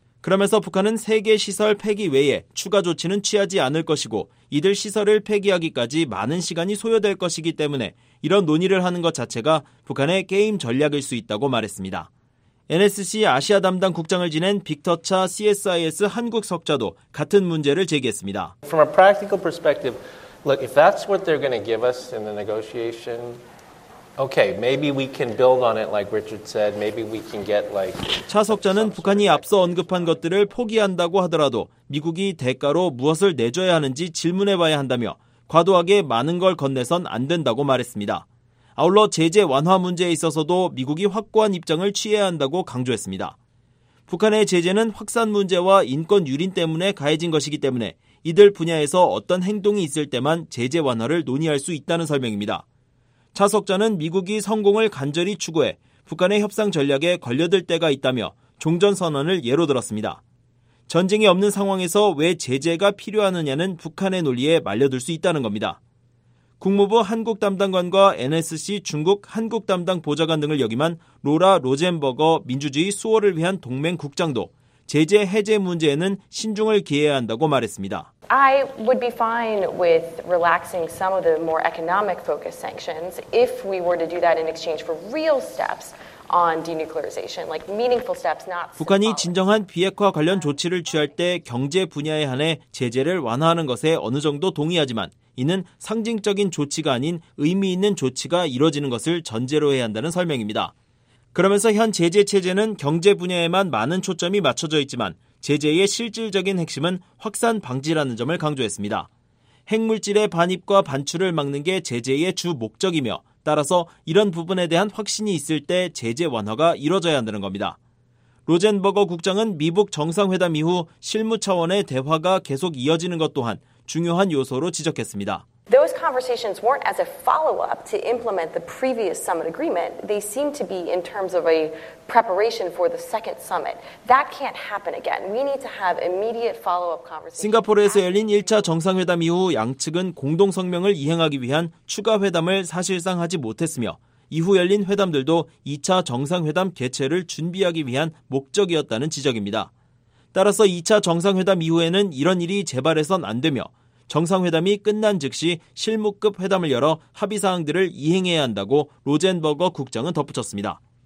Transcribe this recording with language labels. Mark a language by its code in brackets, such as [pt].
[ko] 그러면서 북한은 3개 시설 폐기 외에 추가 조치는 취하지 않을 것이고 이들 시설을 폐기하기까지 많은 시간이 소요될 것이기 때문에 이런 논의를 하는 것 자체가 북한의 게임 전략일 수 있다고 말했습니다. NSC 아시아 담당 국장을 지낸 빅터 차 CSIS 한국 석좌도 같은 문제를 제기했습니다. [en] From a practical perspective, Look, if that's what they're going to give us in the negotiation, okay, maybe we can build on it like Richard said. Maybe we can get like [ko] 차석자는 북한이 앞서 언급한 것들을 포기한다고 하더라도 미국이 대가로 무엇을 내줘야 하는지 질문해 봐야 한다며 과도하게 많은 걸 건네선 안 된다고 말했습니다. 아울러 제재 완화 문제에 있어서도 미국이 확고한 입장을 취해야 한다고 강조했습니다. 북한의 제재는 확산 문제와 인권 유린 때문에 가해진 것이기 때문에 이들 분야에서 어떤 행동이 있을 때만 제재 완화를 논의할 수 있다는 설명입니다. 차석자는 미국이 성공을 간절히 추구해 북한의 협상 전략에 걸려들 때가 있다며 종전선언을 예로 들었습니다. 전쟁이 없는 상황에서 왜 제재가 필요하느냐는 북한의 논리에 말려들 수 있다는 겁니다. 국무부 한국 담당관과 NSC 중국 한국 담당 보좌관 등을 역임한 로라 로젠버거 민주주의 수호를 위한 동맹 국장도 제재 해제 문제에는 신중을 기해야 한다고 말했습니다. [en] I would be fine with relaxing some of the more economic focused sanctions if we were to do that in exchange for real steps on denuclearization, like meaningful steps, not. [ko] 북한이 진정한 비핵화 관련 조치를 취할 때 경제 분야에 한해 제재를 완화하는 것에 어느 정도 동의하지만 이는 상징적인 조치가 아닌 의미 있는 조치가 이뤄지는 것을 전제로 해야 한다는 설명입니다. 그러면서 현 제재 체제는 경제 분야에만 많은 초점이 맞춰져 있지만 제재의 실질적인 핵심은 확산 방지라는 점을 강조했습니다. 핵물질의 반입과 반출을 막는 게 제재의 주 목적이며 따라서 이런 부분에 대한 확신이 있을 때 제재 완화가 이뤄져야 한다는 겁니다. 로젠버거 국장은 미북 정상회담 이후 실무 차원의 대화가 계속 이어지는 것 또한 중요한 요소로 지적했습니다. [en] Those conversations weren't as a follow-up to implement the previous summit agreement. They seem to be in terms of a preparation for the second summit. That can't happen again. We need to have immediate follow-up conversations. [ko] 싱가포르에서 열린 1차 정상회담 이후 양측은 공동 성명을 이행하기 위한 추가 회담을 사실상 하지 못했으며 이후 열린 회담들도 2차 정상회담 개최를 준비하기 위한 목적이었다는 지적입니다. 따라서 2차 정상회담 이후에는 이런 일이 재발해선 안 되며 정상회담이 끝난 즉시 실무급 회담을 열어 합의사항들을 이행해야 한다고 로젠버거 국장은 덧붙였습니다.